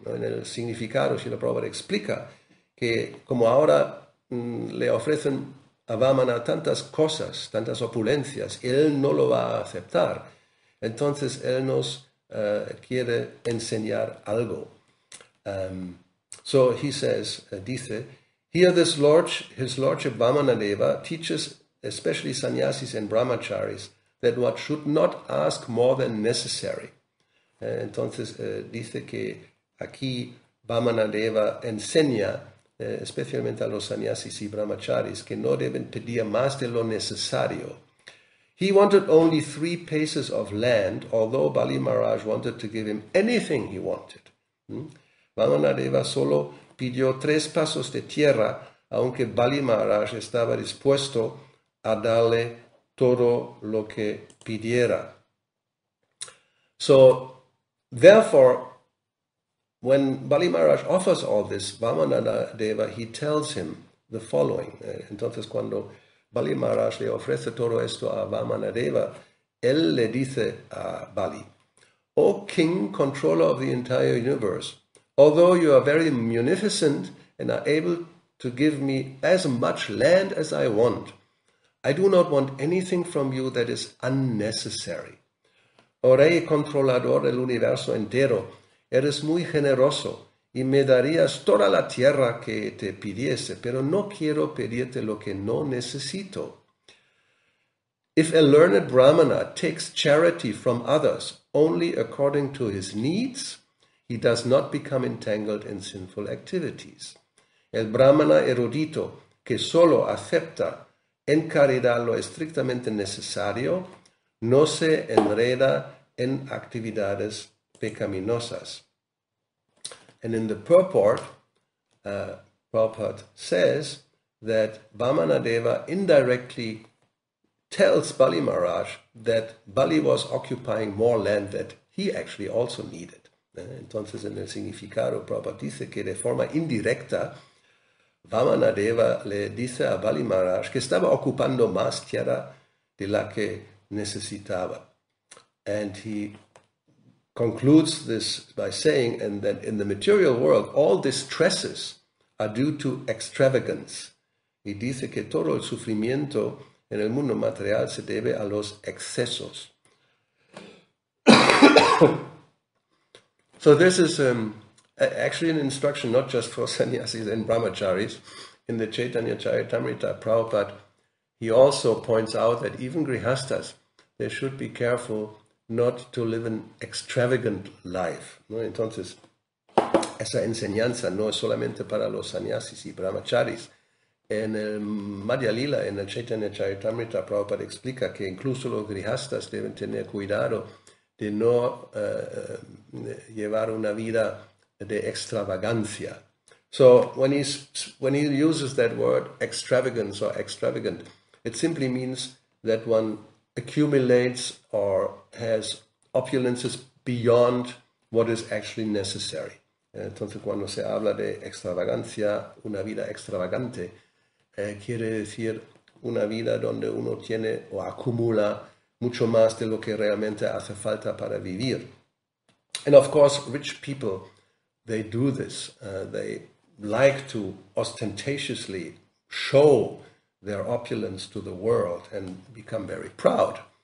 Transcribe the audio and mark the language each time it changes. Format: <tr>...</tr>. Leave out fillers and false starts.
<es>En el significado, Srila Prabhupada explica que como ahora le ofrecen a Vamana tantas cosas, tantas opulencias, él no lo va a aceptar. Entonces él nos quiere enseñar algo.</es> <en>So he says,</en> <es>dice,</es> <en>here this Lord, his Lordship Vamanadeva teaches especially sannyasis and brahmacharis that one should not ask more than necessary.</en> <es>Entonces dice que aquí Vamanadeva enseña especialmente a los sannyasis y brahmacharis que no deben pedir más de lo necesario.</es> <en>He wanted only 3 paces of land, although Bali Maharaj wanted to give him anything he wanted.</en> <es>Vamanadeva solo pidió 3 pasos de tierra, aunque Bali Maharaj estaba dispuesto a darle todo lo que pidiera.</es> <en>So, therefore, when Bali Maharaj offers all this, Vamanadeva, he tells him the following.</en> <es>Entonces, cuando Bali Maharaj le ofrece todo esto a Vamanadeva, él le dice a Bali,</es> <en>O King, controller of the entire universe, although you are very munificent and are able to give me as much land as I want, I do not want anything from you that is unnecessary.</en> <es>O rey controlador del universo entero, eres muy generoso y me darías toda la tierra que te pidiese, pero no quiero pedirte lo que no necesito.</es> <en>If a learned brahmana takes charity from others only according to his needs, he does not become entangled in sinful activities.</en> <es>El brahmana erudito que solo acepta en caridad lo estrictamente necesario, no se enreda en actividades pecaminosas.</es> <en>And in the purport, Prabhupada says that Vamanadeva indirectly tells Bali Maharaj that Bali was occupying more land that he actually also needed.</en> <es>Entonces, en el significado, Prabhupada dice que de forma indirecta, Vamanadeva le dice a Bali Maharaj que estaba ocupando más tierra de la que necesitaba.</es> <en>And he concludes this by saying and that in the material world, all distresses are due to extravagance.</en> <es>Y dice que todo el sufrimiento en el mundo material se debe a los excesos.</es> <en>So this is actually an instruction not just for sannyasis and brahmacharis. In the Chaitanya Charitamrita, Prabhupada, he also points out that even grihasthas, they should be careful not to live an extravagant life.</en> <es>¿No? Entonces, esa enseñanza no es solamente para los sannyasis y brahmacharis. En el Madhya Lila, en el Chaitanya Charitamrita, Prabhupada explica que incluso los grihasthas deben tener cuidado de no llevar una vida de extravagancia.</es> <en>So when he uses that word extravagance or extravagant, it simply means that one accumulates or has opulences beyond what is actually necessary.</en> <es>Entonces cuando se habla de extravagancia, una vida extravagante, quiere decir una vida donde uno tiene o acumula mucho más de lo que realmente hace falta para vivir.</es> <en>And of course, rich people, they do this. They like to ostentatiously show their opulence to the world and become very proud.</en>